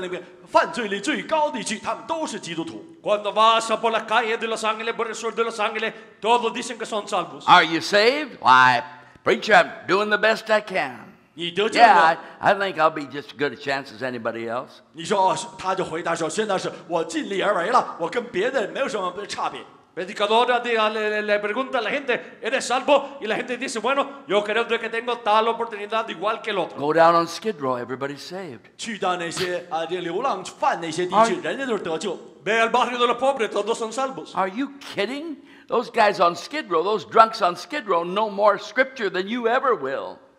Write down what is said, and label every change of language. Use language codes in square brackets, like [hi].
[zh] 你去到这洛杉矶地区，中南部地区，人人住在那边，犯罪率最高的地区，他们都是基督徒。 [es] Cuando vas por las calles de Los Ángeles, por el sur de Los Ángeles, todos dicen que son salvos. [en] Are you saved? Why, preacher, I'm doing the best I can. [zh] 你得救了? [en] Yeah, I think I'll be just as good a chance as anybody else. [zh] 你说，他就回答说，现在是我尽力而为了，我跟别的没有什么差别。 [es] Predicadora le pregunta a la gente, ¿eres salvo? Y la gente dice, bueno, yo creo que tengo tal oportunidad igual que el otro. [en] Go down on Skid Row, everybody's saved. [zh] 去到那些流浪犯那些地区，人家都是得救。 [es] Ve al barrio de los pobres, todos son salvos. [en] Are you kidding? Those guys on Skid Row, those drunks on Skid Row, know more scripture than you ever will.